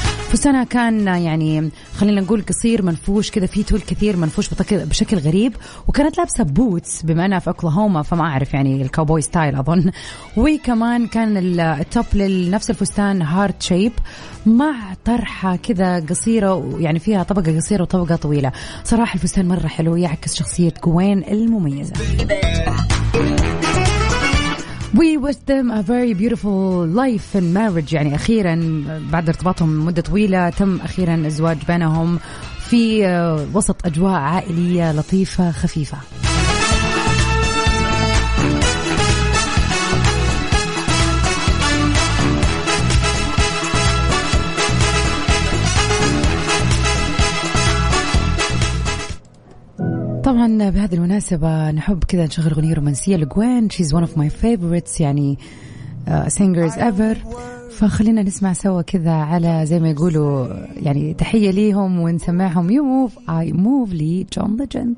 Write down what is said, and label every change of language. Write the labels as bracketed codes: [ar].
[ar] فستانها كان يعني خلينا نقول قصير منفوش كذا، فيه تول كثير منفوش بشكل غريب، وكانت لابسة بوتس بما انها في أوكلاهوما فما اعرف يعني الكاوبوي ستايل اظن. وكمان كان التوب لنفس الفستان هارت شيب مع طرحة كذا قصيرة، يعني فيها طبقة قصيرة وطبقة طويلة. صراحة الفستان مرة حلو يعكس شخصية جوين المميزة. [en] We wish them a very beautiful life and marriage. [ar] يعني أخيرا بعد ارتباطهم مدة طويلة تم أخيرا الزواج بينهم في وسط أجواء عائلية لطيفة خفيفة. طبعا بهذه المناسبة نحب كذا نشغل غنية رومانسية لجوين. [en] She's one of my favorites يعني singers ever. [ar] فخلينا نسمع سوا كذا على زي ما يقولوا يعني تحية ليهم ونسمعهم You move I move لي John Legend.